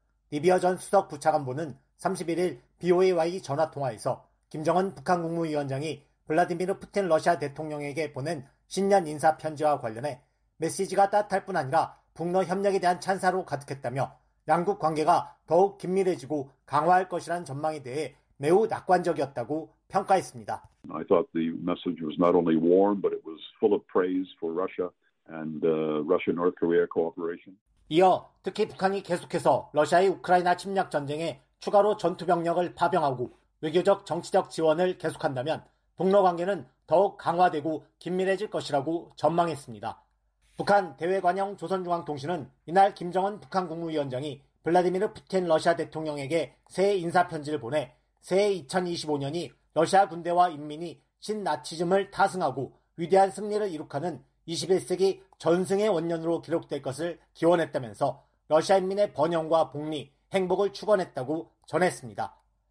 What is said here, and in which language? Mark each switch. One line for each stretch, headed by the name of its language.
Korean: 리비어 전 수석 부차관보는 31일 BOAY 전화통화에서 김정은 북한 국무위원장이 블라디미르 푸틴 러시아 대통령에게 보낸 신년 인사 편지와 관련해 메시지가 따뜻할 뿐 아니라 북러 협력에 대한 찬사로 가득했다며 양국 관계가 더욱 긴밀해지고 강화할 것이란 전망에 대해 매우 낙관적이었다고 평가했습니다.
English: I thought the message was not only warm, but it was full of praise for Russia and Russia-North Korea cooperation.
Korean: 이어 특히 북한이 계속해서 러시아의 우크라이나 침략 전쟁에 추가로 전투병력을 파병하고 외교적, 정치적 지원을 계속한다면 북러 관계는 더욱 강화되고 긴밀해질 것이라고 전망했습니다. 북한 대외관영 조선중앙통신은 이날 김정은 북한 국무위원장이 블라디미르 푸틴 러시아 대통령에게 새해 인사편지를 보내 새해 2025년이 러시아 군대와 인민이 신나치즘을 타승하고 위대한 승리를 이룩하는 21세기 전승의 원년으로 기록될 것을 기원했다면서 러시아 인민의 번영과 복리, 행복을 축원했다고 전했습니다.